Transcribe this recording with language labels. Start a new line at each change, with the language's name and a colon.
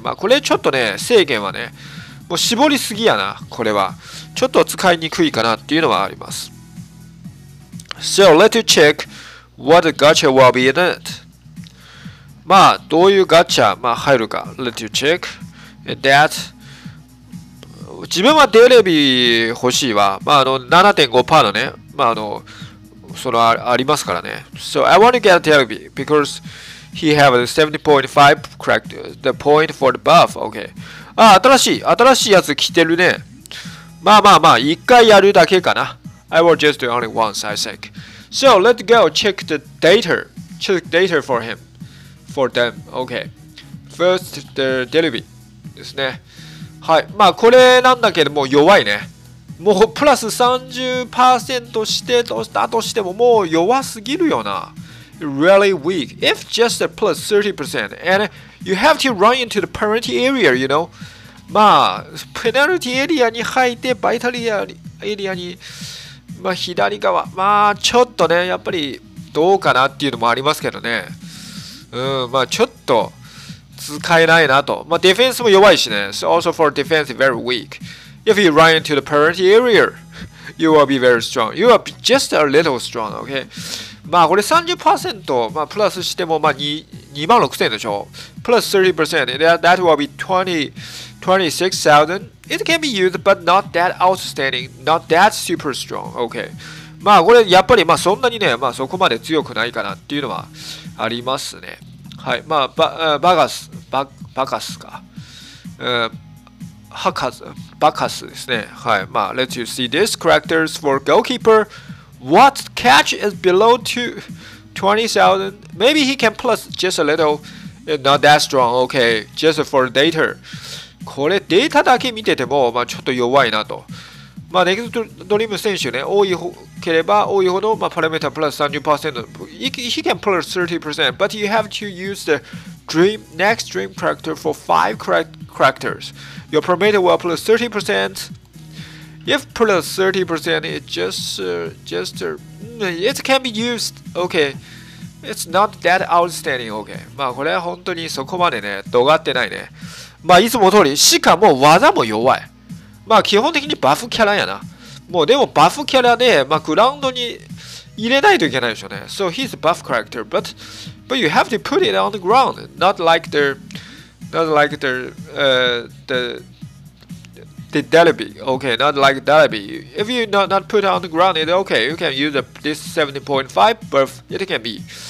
Japanese: まあ、これちょっとね、制限はね、もう絞りすぎやな、これは。ちょっと使いにくいかなっていうのはあります。
English: So, let's check what the gacha will be in it.
Japanese: まあ、どういうガチャ、まあ、入るか。
English: Let's check that.
Japanese: 自分はデレビ欲しいわ。まあ、あの 7.5% のね、まあ、あの、その、ありますからね。
English: So, I want to get デレビ because... He have a 70.5 correct the point for the buff. Okay.
Japanese: あ、新しいやつ来てるね。まあまあまあ、一回やるだけかな。
English: I will just do only once, I think. So let's go check the data. Check data for him. For them. Okay. First, the delivery
Japanese: ですね。はい。まあ、これなんだけども、弱いね。もうプラス 30% してとしたとしても、もう弱すぎるよな。
English: really weak, if just a plus 30%, and you have to run into the penalty area, you know.
Japanese: まあ、ペナルティエリアに入って、バイタリアに、エリアに、まあ、左側、まあ、ちょっとね、やっぱり、どうかなっていうのもありますけどね。まあ、ちょっと、使えないなと。まあ、ディフェンスも弱いしね。
English: So also for defense, very weak. If you run into the penalty area, you will be very strong. You will be just a little strong, okay?
Japanese: まあ、これ 30%、まあ、プラスしても、まあ、26,000 でしょ。
English: プラス 30%、that will be 26,000. It can be used, but not that outstanding, not that super strong. Okay.
Japanese: まあこれやっぱりまあそんなにね、まあそこまで強くないかなっていうのはありますね。はい。まあ バカスか。ハカス、バカスですね。はい。
English: まあ、Let's you see this characters for goalkeeper. What catch is below 20,000? Maybe he can plus just a little. Not that strong. Okay. Just for data.
Japanese: これデータだけ見てても、まあ、ちょっと弱いなと。まあ、ネクストドリーム選手ね、多いければ多いほど、まあ、パラメータプラス 30%。
English: He can plus 30%, but you have to use the dream, next dream character for 5 characters. Your parameter will plus 30%. If plus 30%, it it can be used. Okay. It's not that outstanding. Okay.
Japanese: まあ、これは本当にそこまでね、どがってないね。まあいつも通り、しかも技も弱い。まあ基本的にバフキャラやな。もうでもバフキャラで、まあグラウンドに入れないといけないでしょうね。
English: So he's a buff character, but you have to put it on the ground, not like the Delby. Okay, not like Delby. If you not put it on the ground, it okay, you can use this 70.5 buff, it can be.